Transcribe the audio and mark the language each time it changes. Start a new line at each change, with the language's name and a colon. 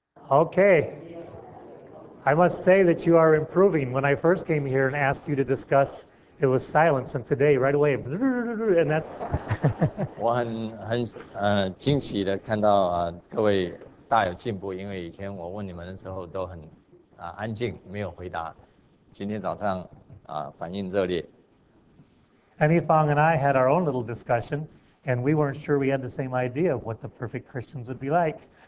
English: Okay, I must say that you are improving. When I first came here and asked you to discuss, it was silence, and today, right away, and that's...
Chinese: 我很惊喜地看到各位大有进步，因为以前我问你们的时候都很安静，没有回答。今天早上反应热烈。
English: Anifang and I had our own little discussion, and we weren't sure we had the same idea of what the perfect Christians would be like.